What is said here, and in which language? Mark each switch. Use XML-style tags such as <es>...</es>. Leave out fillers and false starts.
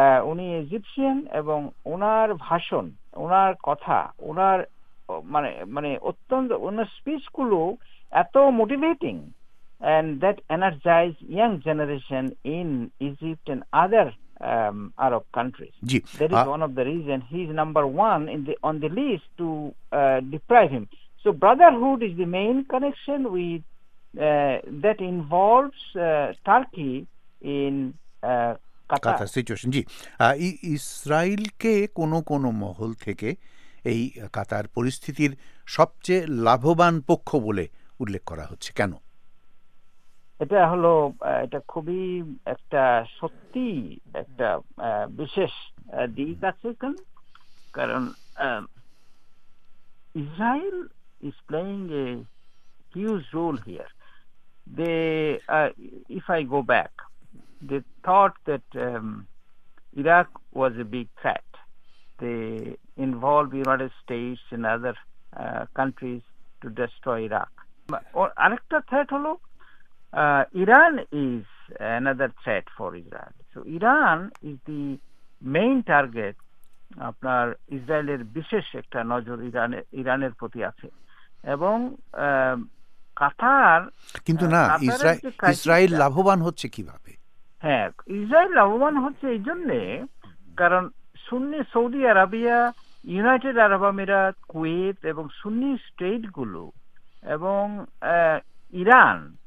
<bn>উনি ইজিপশিয়ান এবং ওনার ভাষণ ওনার কথা ওনার মানে মানে অত্যন্ত ওনার স্পিচগুলো এত motivating</bn> <en>And that energize young generation in Egypt and other Arab countries.</en> <bn>Ji.</bn> <en>That is one of the reasons he is number one in the on the list to deprive him. So Brotherhood is the main connection with that involves Turkey in Qatar. Qatar situation.</en> <bn>Ji. Israel ke kono kono mahol theke ei Qatar poristhitir sobche labhoban pokkho bole ullekh kora hocche. Keno? এটা হলো এটা খুবই একটা সত্যি একটা বিশেষ দিক আছে, কারণ</bn> <en>Israel is playing a huge role here, they if I go back they thought that Iraq was a big threat, they involve United States and other countries to destroy Iraq,</en> <bn>আরেকটা থ্রেট হলো</bn> <en>Iran is another threat for Israel. So Iran is the main target.</en> <bn>আপনার ইসরায়েলের বিশেষ একটা নজর ইরানের প্রতি আছে এবং কাতার, কিন্তু না ইসরায়েল লাভবান হচ্ছে কিভাবে? হ্যাঁ, ইসরায়েল লাভবান হচ্ছে এই জন্য কারণ সুন্নি সৌদি আরাবিয়া, ইউনাইটেড আরব আমিরাত, কুয়েত এবং সুন্নি স্টেটগুলো এবং ইরান</bn>